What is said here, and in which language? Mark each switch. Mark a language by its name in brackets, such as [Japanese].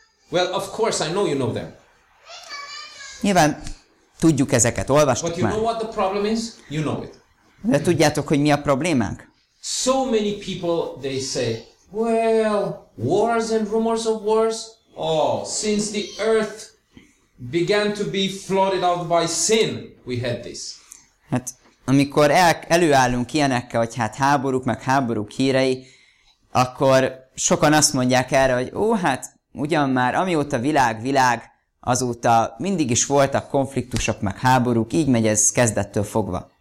[English] Well, of course I know you know them. [Hungarian] Nyilván tudjuk ezeket, olvastuk már. [English] But you know what the problem is? You know it. [Hungarian] De tudjátok, hogy mi a problémánk? [English] So many people, they say, Well, wars and rumors of wars. Oh, since the earth began to be flooded out by sin, we had this. [Hungarian] Hát, amikor előállunk ilyenekkel, hogy hát háborúk, meg háborúk hírei, akkor sokan azt mondják erre, hogy ó, hát ugyan már, amióta világ, azóta mindig is voltak konfliktusok, meg háborúk, így megy ez kezdettől fogva.